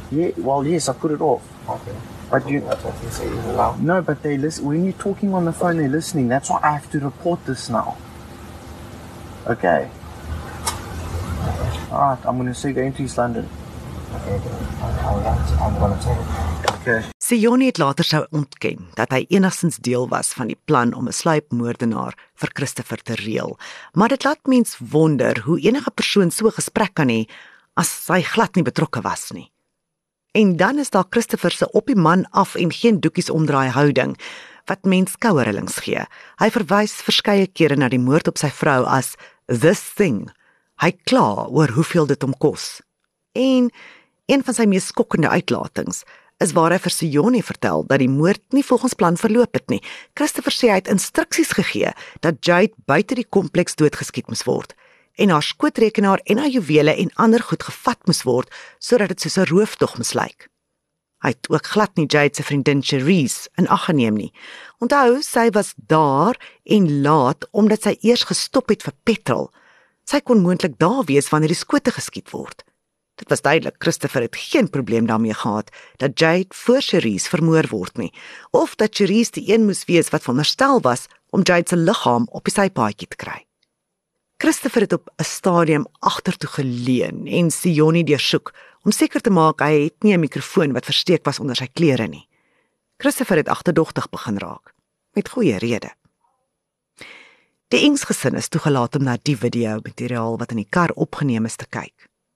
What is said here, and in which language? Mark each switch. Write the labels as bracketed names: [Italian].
[English] Yeah, well, yes, I put it off. Okay. But you, no, but they listen. When you're talking on the phone, they're listening. That's why I have to report this now. Okay. Okay. All right, I'm going to say go into East London. Okay. [Afrikaans] Sione het later sou ontken dat hy enigstens deel was van die plan om 'n sluipmoordenaar vir Christopher te reël. Maar dit laat mens wonder hoe enige persoon so 'n gesprek kan hê as hy glad nie betrokke was nie. En dan is daar Christopher se op die man af en geen doekies omdraai houding wat mens kouerillings gee. Hy verwys verskeie kere na die moord op sy vrou as [English] this thing. [Afrikaans] Hy kla oor hoeveel dit hom kos. En een van sy mees skokkende uitlatings is waar hy vir Sione vertel dat die moord nie volgens plan verloop het nie. Christopher sê hy het instruksies gegee dat Jade buite die kompleks doodgeskiet moes word. En haar skootrekenaar en haar juwele en ander goed gevat moes word, sodat dit soos 'n rooftog moes lyk. Hy het ook glad nie Jade se vriendin Cherise in ag geneem nie. Onthou, sy was daar en laat omdat sy eers gestop het vir petrol. Sy kon moontlik daar wees wanneer die skote geskiet word. Dit was duidelik, Christopher het geen probleem daarmee gehad dat Jade voor Cherise vermoor word nie, of dat Cherise die een moes wees wat veronderstel was om Jade se liggaam op die sypaadjie te kry. Christopher het op 'n stadium agtertoe geleun en Sione deursoek om seker te maak hy het nie 'n mikrofoon wat versteek was onder sy klere nie. Christopher het agterdogtig begin raak, met goeie rede. Die Engs gesin is toegelaat om na die video materiaal wat in die kar opgeneem is te kyk.